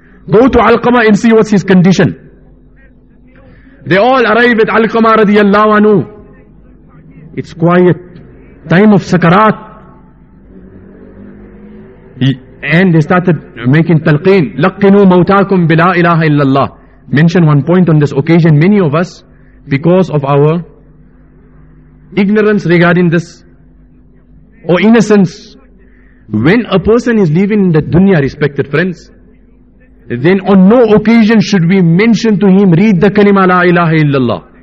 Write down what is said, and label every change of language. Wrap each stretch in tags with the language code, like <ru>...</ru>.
<en>Go to Alqama and see what's his condition. They all arrived at Alqama radiyallahu anhu. It's quiet. Time of Sakarat. And they started making talqeen.</en> <ar>لقنوا موتاكم بلا إله إلا الله.</ar> <en>Mention one point on this occasion. Many of us, because of our ignorance regarding this, or innocence, when a person is leaving the dunya, respected friends, then on no occasion should we mention to him, read the kalima la ilaha illallah.</en>